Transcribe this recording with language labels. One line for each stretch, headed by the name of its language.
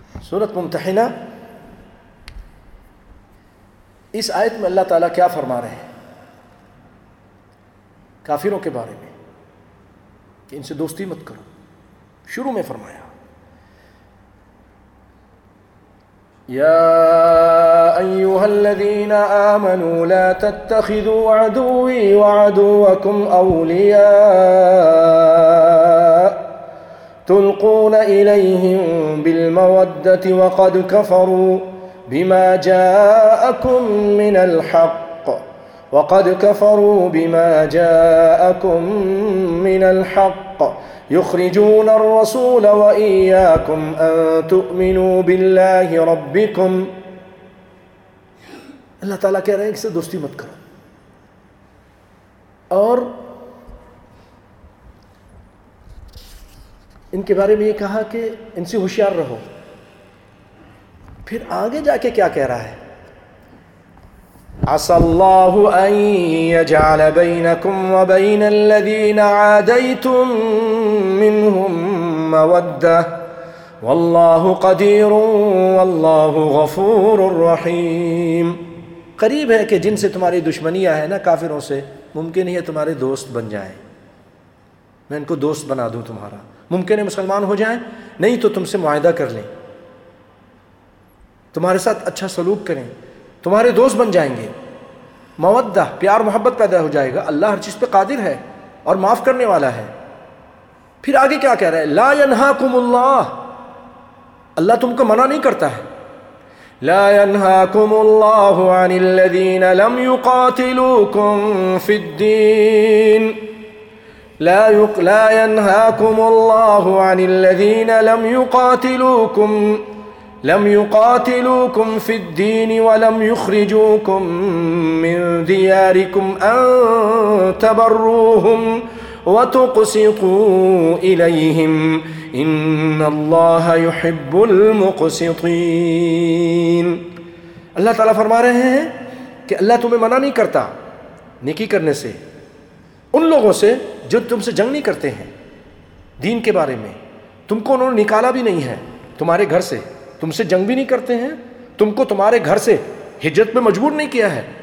Urdu: سورۃ ممتحنہ، اس آیت میں اللہ تعالیٰ کیا فرما رہے ہیں کافروں کے بارے میں، کہ ان سے دوستی مت کرو. شروع میں فرمایا
Arabic: یا ایھا الذین آمنوا لا تتخذوا عدوی وعدوکم اولیاء تلقون إليهم بالمودة وقد كفروا بما جاءكم من الحق يخرجون الرسول وإياكم أن تؤمنوا بالله ربكم.
Urdu: اللہ تعالیٰ کہہ رہے ہیں کہ دوستی مت کرو، اور ان کے بارے میں یہ کہا کہ ان سے ہوشیار رہو. پھر آگے جا کے کیا کہہ رہا ہے؟
Arabic: عسى الله ان يجعل بينكم وبين الذين عاديتم منهم مودة والله قدير والله غفور رحيم.
Urdu: قریب ہے کہ جن سے تمہاری دشمنیاں ہیں نا کافروں سے، ممکن ہی ہے تمہارے دوست بن جائیں، میں ان کو دوست بنا دوں تمہارا، ممکن ہے مسلمان ہو جائیں، نہیں تو تم سے معاہدہ کر لیں، تمہارے ساتھ اچھا سلوک کریں، تمہارے دوست بن جائیں گے، مودہ پیار محبت پیدا ہو جائے گا، اللہ ہر چیز پہ قادر ہے اور معاف کرنے والا ہے. پھر آگے کیا کہہ رہا ہے؟
Arabic: لا ينهاكم الله،
Urdu: اللہ تم کو منع نہیں کرتا ہے.
Arabic: لا ينهاكم الله عن الذين لم يقاتلوكم في الدين لا ينهاكم الله عن الذين لم يقاتلوكم لم يقاتلوكم في الدين ولم يخرجوكم من دياركم أن تبروهم وتقسطوا إليهم إن الله يحب المقسطين.
Urdu: اللہ تعالیٰ فرما رہے ہیں کہ اللہ تمہیں منع نہیں کرتا نیکی کرنے سے ان لوگوں سے جو تم سے جنگ نہیں کرتے ہیں دین کے بارے میں. تم کو انہوں نے نکالا بھی نہیں ہے تمہارے گھر سے, تم سے جنگ بھی نہیں کرتے ہیں, تم کو تمہارے گھر سے ہجرت میں مجبور نہیں کیا ہے.